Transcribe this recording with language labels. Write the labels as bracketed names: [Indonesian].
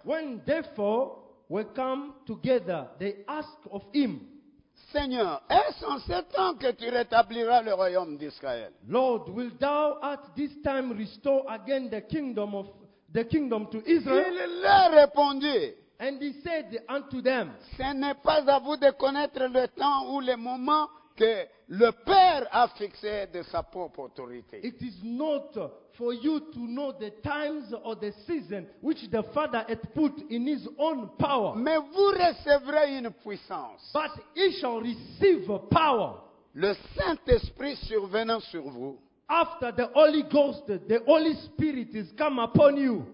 [English] When therefore we come together, they ask of him. [French] Seigneur, est-ce en ce temps que tu rétabliras le royaume d'Israël? [English] Lord, wilt thou at this time restore again the kingdom to Israel? [French] Il leur répondit. [English] And he said unto them. [French] Ce n'est pas à vous de connaître le temps ou le moment que le Père a fixé de sa propre autorité. [English] It is not for you to know the times or the season which the Father had put in his own power. [French] Mais vous recevrez une puissance. [English] But he shall receive power. [French] Le Saint-Esprit survenant sur vous. [English] After the Holy Ghost, the Holy Spirit is come upon you.